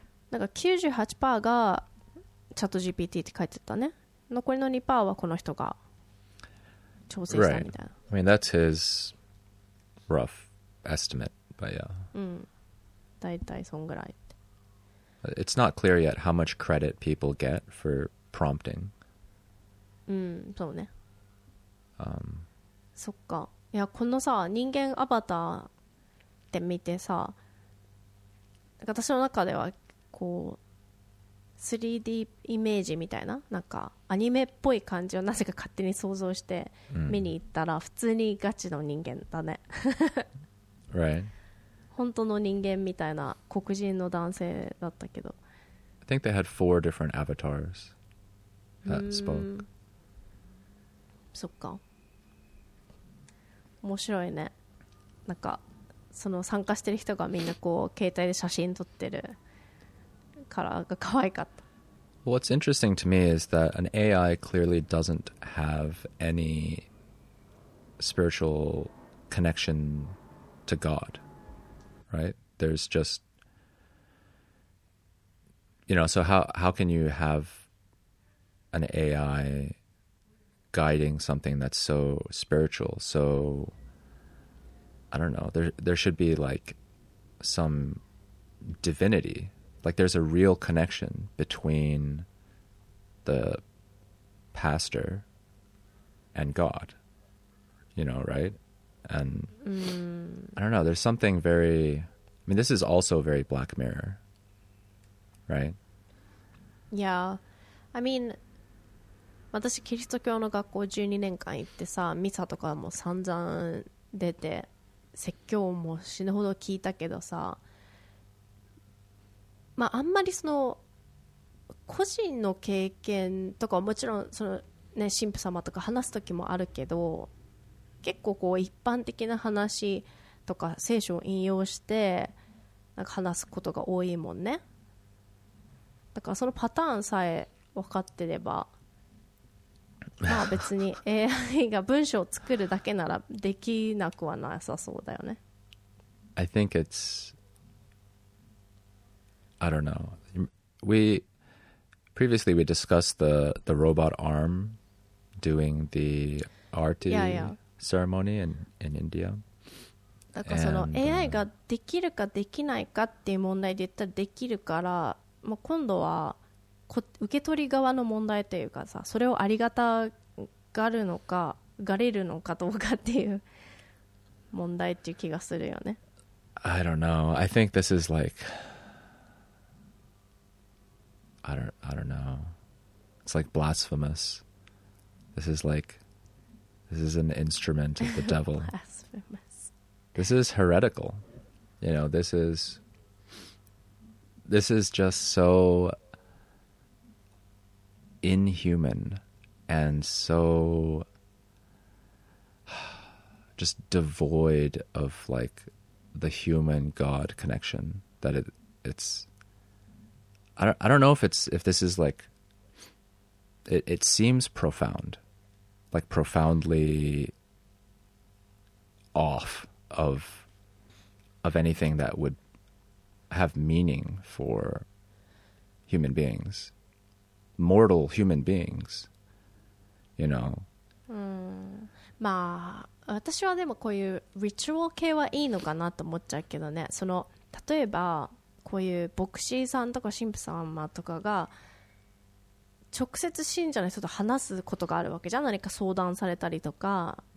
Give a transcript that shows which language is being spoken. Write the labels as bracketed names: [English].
[Japanese] なんか 98% がチャット GPT って書いてたね。残りの 2% はこの人が調整したみたいな。 [English] Right. I mean, that's his rough estimate, but yeah. [Japanese] だいたいそんぐらい。 [English] It's not clear yet how much credit people get for prompting. [Japanese] そうね。そっか。いや、このさ、人間アバターって見てさ、私の中ではこう 3D イメージみたいななんかアニメっぽい感じをなぜか勝手に想像して見に行ったら普通にガチの人間だね [English] Right [Japanese] 本当の人間みたいな黒人の男性だったけど [English] I think they had four different avatars that spoke [Japanese] そっか面白いねなんかその参加してる人がみんなこう携帯で写真撮ってるからが可愛かった。 [English] What's interesting to me is that an AI clearly doesn't have any spiritual connection to God, right? There's just, you know, so how can you have an AI guiding something that's so spiritual, so... I don't know. There should be like some divinity. Like there's a real connection between the pastor and God. You know, right? And I don't know. There's something very... I mean, this is also very Black Mirror. Right? Yeah. I mean... [Japanese] 私キリスト教の学校12年間行ってさ、ミサとかも散々出て説教も死ぬほど聞いたけどさ、まあ、あんまりその個人の経験とかはもちろんその、ね、神父様とか話す時もあるけど結構こう一般的な話とか聖書を引用してなんか話すことが多いもんねだからそのパターンさえ分かってればまあ別に AI が文章を作るだけならできなくはなさそうだよね。 [English] I think it's, I don't know. We previously we discussed the robot arm doing the aarti ceremony in India. [Japanese] だからその AI ができるかできないかっていう問題で言ったらできるから、まあ、今度は。受け取り側の問題というかさそれをありがたがるのかがれるのかどうかっていう問題っていう気がするよね [English] I don't know I think this is like I don't know It's like blasphemous This is an instrument of the devil Blasphemous This is heretical You know this is just soinhuman and so just devoid of like the human God connection that it's. I don't know if this is like. It seems profound, like profoundly off of anything that would have meaning for human beings, mortal human beings, you know. [Japanese] まあ私はでもこういうリチュアル系はいいのかなと思っちゃうけどね。その例えばこういう牧師さんとか神父さんとかが直接信者の人と話すことがあるわけじゃん。何か相談されたりとか、